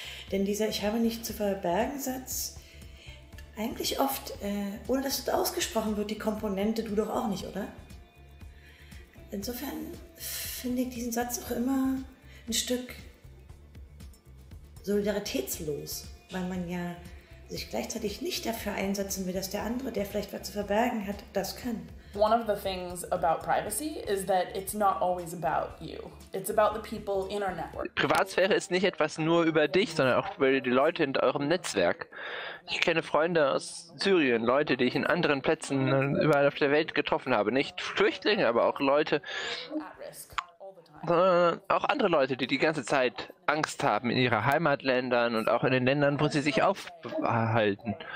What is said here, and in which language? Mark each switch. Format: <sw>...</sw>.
<de>Denn dieser ich habe nichts zu verbergen Satz, eigentlich oft, ohne dass es ausgesprochen wird, die Komponente du doch auch nicht, oder? Insofern finde ich diesen Satz auch immer ein Stück solidaritätslos, weil man ja sich gleichzeitig nicht dafür einsetzen will, dass der andere, der vielleicht was zu verbergen hat, das kann.</de> <en>One of the things about privacy is that it's not always about you. It's about the people in our network.</en> <de>Privatsphäre ist nicht etwas nur über dich, sondern auch über die Leute in eurem Netzwerk. Ich kenne Freunde aus Syrien, Leute, die ich in anderen Plätzen überall auf der Welt getroffen habe. Nicht Flüchtlinge, aber auch Leute, auch andere Leute, die die ganze Zeit Angst haben in ihren Heimatländern und auch in den Ländern, wo sie sich aufhalten.</de>